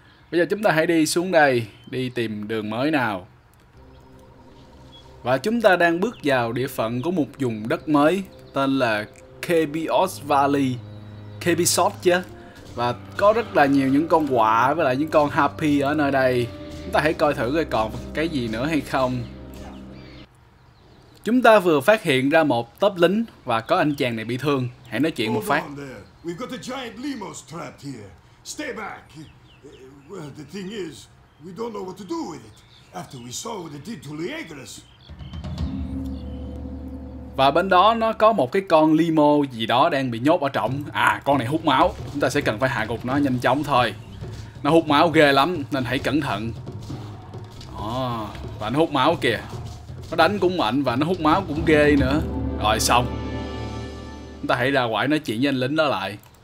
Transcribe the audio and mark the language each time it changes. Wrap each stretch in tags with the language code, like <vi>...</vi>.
<vi>Bây giờ chúng ta hãy đi xuống đây, đi tìm đường mới nào. Và chúng ta đang bước vào địa phận của một vùng đất mới, tên là Kebios Valley. Kebisot chứ. Và có rất là nhiều những con quạ với lại những con harpy ở nơi đây. Chúng ta hãy coi thử coi còn cái gì nữa hay không. Chúng ta vừa phát hiện ra một tớp lính và có anh chàng này bị thương. Hãy nói chuyện một phát.</vi> <en>We've got a giant Lemos trapped here. Stay back. Well, the thing is, we don't know what to do with it after we saw what it did to Liagoras.</en> <vi>Và bên đó nó có một cái con limo gì đó đang bị nhốt ở trọng. À, con này hút máu, chúng ta sẽ cần phải hạ gục nó nhanh chóng thôi. Nó hút máu ghê lắm nên hãy cẩn thận. Đó, và nó hút máu kìa. Nó đánh cũng mạnh và nó hút máu cũng ghê nữa. Rồi xong. Chúng ta hãy ra ngoài nói chuyện với anh lính đó lại.</vi>